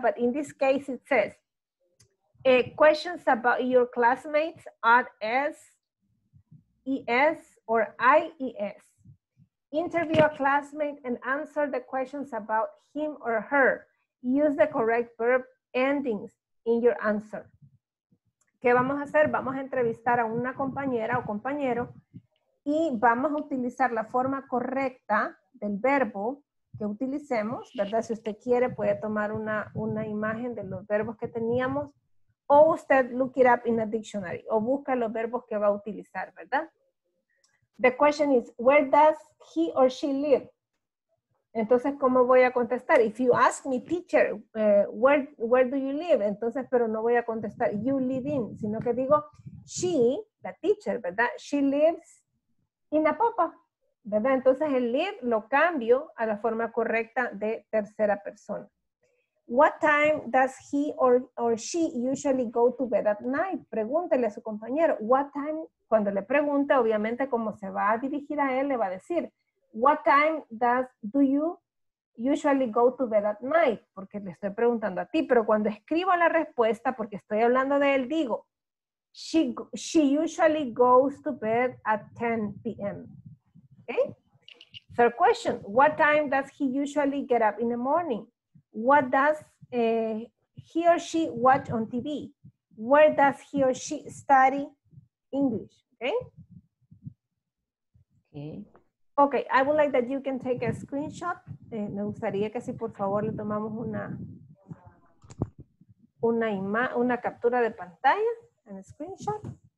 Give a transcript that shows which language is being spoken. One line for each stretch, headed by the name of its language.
English: But in this case, it says, questions about your classmates, are S, ES, or IES. Interview a classmate and answer the questions about him or her. Use the correct verb endings in your answer.
Spanish: ¿Qué vamos a hacer? Vamos a entrevistar a una compañera o compañero y vamos a utilizar la forma correcta del verbo que utilicemos, ¿verdad? Si usted quiere, puede tomar una imagen de los verbos que teníamos o usted
English: look it up in a dictionary
Spanish: o busca los verbos que va a utilizar, ¿verdad?
English: The question is, where does he or she live?
Spanish: Entonces, ¿cómo voy a contestar?
English: If you ask me, teacher, where do you live?
Spanish: Entonces, pero no voy a contestar,
English: you live in,
Spanish: sino que digo, she, la teacher, ¿verdad?
English: She lives in a popa, ¿verdad?
Spanish: Entonces, el live lo cambio a la forma correcta de tercera persona.
English: What time does he or she usually go to bed at night?
Spanish: Pregúntele a su compañero. What time, cuando le pregunte, obviamente, como se va a dirigir a él, le va a decir,
English: what time do you usually go to bed at night?
Spanish: Porque le estoy preguntando a ti, pero cuando escribo la respuesta, porque estoy hablando de él, digo,
English: she usually goes to bed at 10 p.m. Okay? Third question, what time does he usually get up in the morning? What does he or she watch on TV? Where does he or she study English? Okay? Okay. Okay, I would like that you can take a screenshot.
Spanish: Me gustaría que si por favor le tomamos una captura de pantalla,
English: and a screenshot.